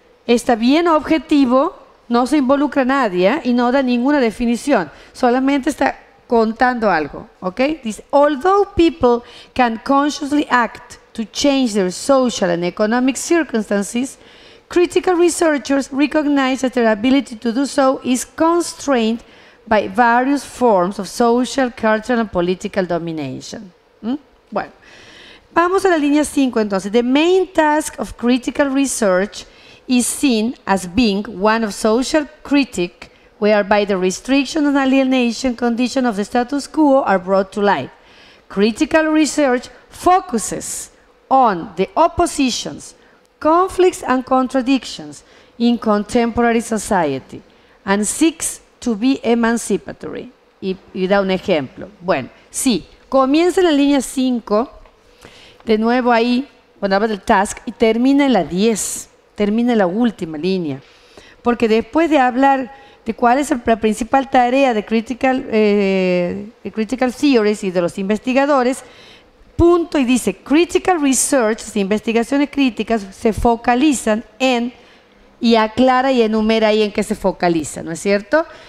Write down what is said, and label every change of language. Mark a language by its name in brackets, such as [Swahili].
[Spanish] Está bien objetivo, no se involucra nadie, ¿eh?, y no da ninguna definición. Solamente está contando algo, ¿ok? Dice, [English] although people can consciously act to change their social and economic circumstances, critical researchers recognize that their ability to do so is constrained by various forms of social, cultural, and political domination. [Spanish] Bueno, vamos a la línea 5 entonces. [English] The main task of critical research is seen as being one of social critic, whereby the restriction and alienation condition of the status quo are brought to light. Critical research focuses on the oppositions, conflicts, and contradictions in contemporary society and seeks to be emancipatory. [Spanish] Y da un ejemplo. Bueno, sí, comienza en la línea 5, de nuevo ahí, bueno, habla del task, y termina en la 10, termina en la última línea. Porque después de hablar de cuál es la principal tarea de critical theories y de los investigadores, punto y dice, critical research, investigaciones críticas, se focalizan en, y aclara y enumera ahí en qué se focaliza, ¿no es cierto?